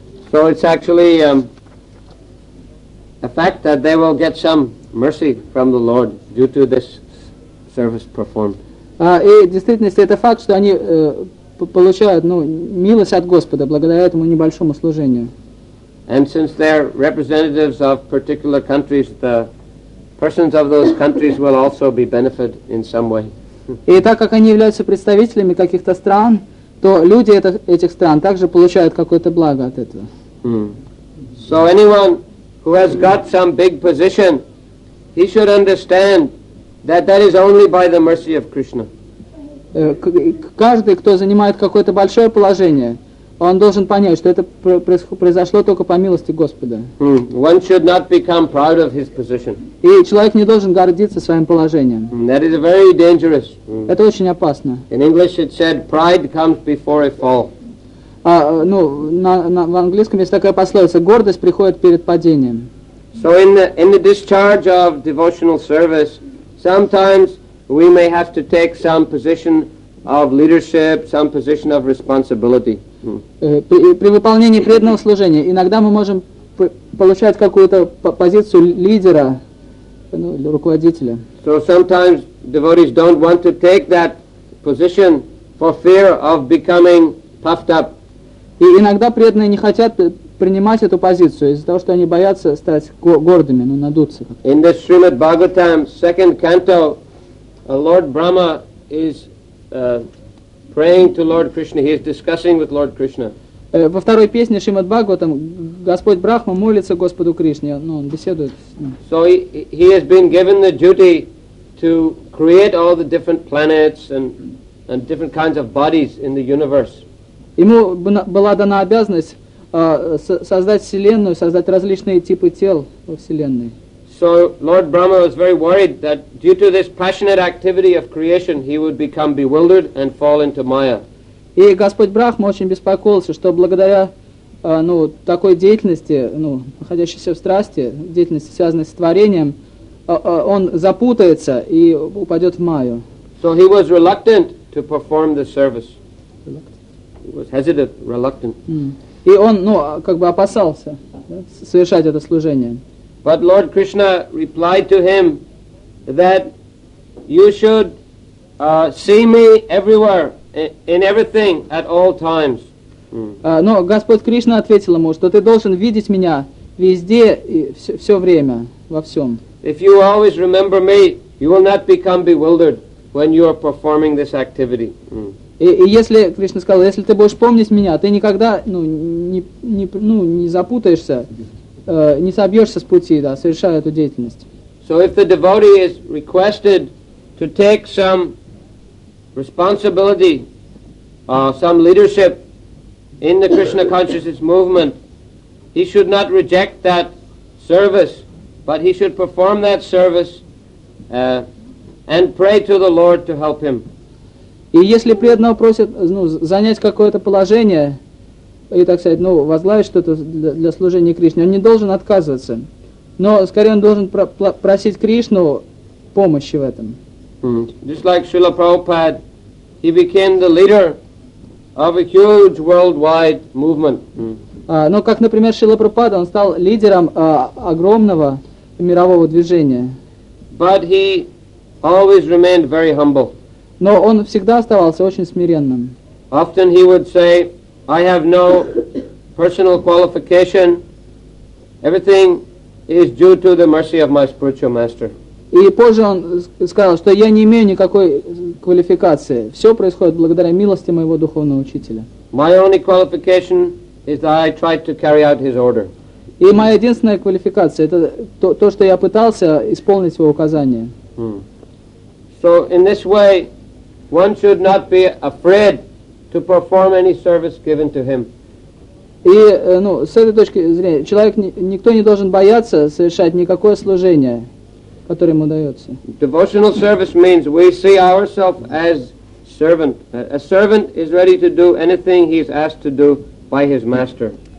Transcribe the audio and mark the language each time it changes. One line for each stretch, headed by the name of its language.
English: So it's actually a fact that they will get some mercy from the Lord due to this service performed.
Russian: И в действительности это факт, что они получают милость от Господа благодаря этому небольшому служению.
English: And since they're representatives of particular countries, the persons of those countries will also be benefited in some way.
Russian: И так как они являются представителями каких-то стран, то люди этих стран также получают какое-то благо от этого.
English: So anyone who has got some big position, he should understand that that is only by the mercy of Krishna.
Russian: Каждый, кто занимает какое-то большое положение, он должен понять, что это произошло только по милости Господа.
English: One should not become proud of his position.
Russian: И человек не должен гордиться своим положением.
English: That is very dangerous.
Russian: Это очень опасно.
English: In English it said, pride comes before a fall.
Russian: В английском есть такая пословица: гордость приходит перед падением.
English: So in the discharge of devotional service, sometimes we may have to take some position of leadership, some position of responsibility.
Russian: При выполнении преданного служения иногда мы можем получать какую-то позицию лидера, руководителя.
English: So sometimes devotees don't want to take that position for fear of becoming puffed up.
Russian: И иногда преданные не хотят принимать эту позицию из-за того, что они боятся стать гордыми, надуться.
English: In the Srimad Bhagavatam, second canto, Lord Brahma is praying to Lord Krishna, he is discussing with Lord Krishna.
Russian: Во второй песне Шримад Бхагаватам Господь Брахма молится Господу Кришне, он беседует с ним.
English: So he has been given the duty to create all the different planets and different kinds of bodies in the universe.
Russian: Ему была дана обязанность создать вселенную, создать различные типы тел во вселенной.
English: So Lord Brahma was very worried that due to this passionate activity of creation, he would become bewildered and fall into Maya.
Russian: И Господь Брахма очень беспокоился, что благодаря такой деятельности, находящейся в страсти, деятельности, связанной с творением, он запутается и упадет в Майю.
English: So he was reluctant to perform the service. He was hesitant, reluctant.
Russian: И он, опасался, да, совершать это служение.
English: But Lord Krishna replied to him that you should see me everywhere, in everything, at all times.
Russian: Но Господь Кришна ответил ему, что ты должен видеть меня везде и все время, во всем.
English: If you always remember me, you will not become bewildered when you are performing this activity.
Russian: И если, Кришна сказал, если ты будешь помнить меня, ты никогда не запутаешься, не собьешься с пути, да, совершая эту деятельность.
English: So if the devotee is requested to take some responsibility, some leadership in the Krishna consciousness movement, he should not reject that service, but he should perform that service and pray to the Lord to help him.
Russian: И если преданного просят занять какое-то положение, и, так сказать, возглавить что-то для служения Кришне, он не должен отказываться. Но скорее он должен просить Кришну помощи в этом.
English: Just like Srila Prabhupada, he became the leader of a huge worldwide movement.
Russian: Как, например, Шрила Прабхупада, он стал лидером огромного мирового движения.
English: But he always remained very humble.
Russian: Но он всегда оставался очень смиренным.
English: Often he would say, "I have no personal qualification. Everything is due to the mercy of my spiritual master."
Russian: И позже он сказал, что я не имею никакой квалификации. Все происходит благодаря милости моего духовного учителя.
English: My only qualification is that I tried to carry out his order.
Russian: И моя единственная квалификация — это то, что я пытался исполнить его указания.
English: So in this way, one should not be afraid to perform any service given to him.
Russian: И, ну, с этой точки зрения, человек, никто не должен бояться совершать никакое служение, которое ему дается.
English: Devotional service means we see ourselves as servant. A servant is ready to do anything he is asked to do by his master.